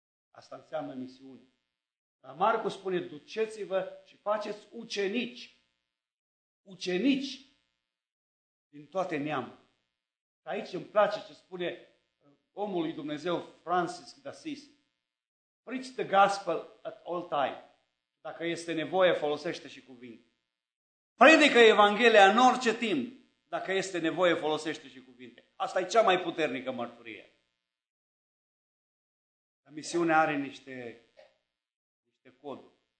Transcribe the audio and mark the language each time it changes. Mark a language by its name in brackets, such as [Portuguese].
[Romanian] Asta înseamnă misiune. Dar Marcu spune, duceți-vă și faceți ucenici. Ucenici din toate neamurile. Aici îmi place ce spune omul lui Dumnezeu Francis de Assisi. [English] Preach the gospel at all time. [Romanian] Dacă este nevoie, folosește și cuvinte. Predică Evanghelia în orice timp. Dacă este nevoie, folosește și cuvinte. Asta e cea mai puternică mărturie. Misiunea are niște coduri.